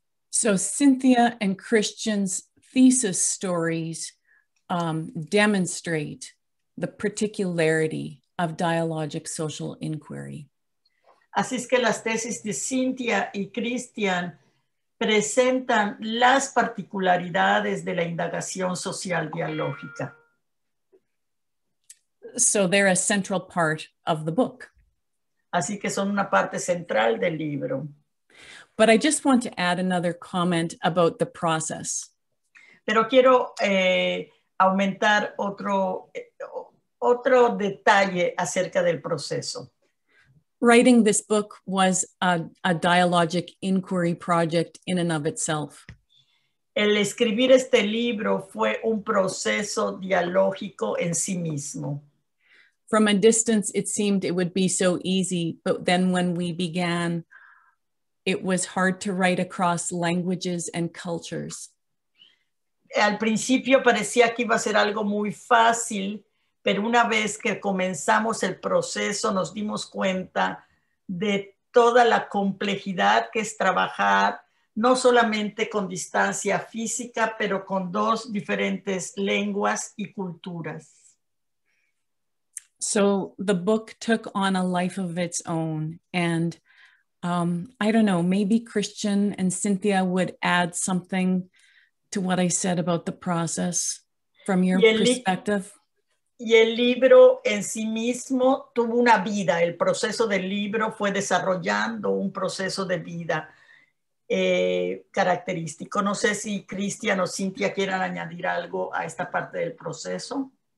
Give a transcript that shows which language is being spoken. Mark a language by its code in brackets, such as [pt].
[en] So Cynthia and Christian's thesis stories demonstrate the particularity of dialogic social inquiry. [es] Así es que las tesis de Cynthia y Christian presentan las particularidades de la indagación social dialógica. [en] So they're a central part of the book. [es] Así que son una parte central del libro. [en] But I just want to add another comment about the process. [es] Pero quiero aumentar otro detalle acerca del proceso. [en] Writing this book was a dialogic inquiry project in and of itself. [es] El escribir este libro fue un proceso dialógico en sí mismo. [en] From a distance, it seemed it would be so easy, but then when we began, it was hard to write across languages and cultures. [es] Al principio parecía que iba a ser algo muy fácil, pero una vez que comenzamos el proceso, nos dimos cuenta de toda la complejidad que es trabajar, no solamente con distancia física, pero con dos diferentes lenguas y culturas. [en] So the book took on a life of its own, and I don't know, maybe Christian and Cynthia would add something to what I said about the process from your perspective. [es] Y el libro en sí mismo tuvo una vida. El proceso del libro fue desarrollando un proceso de vida característico. No sé si Cristian o Cynthia quieran añadir algo a esta parte del proceso.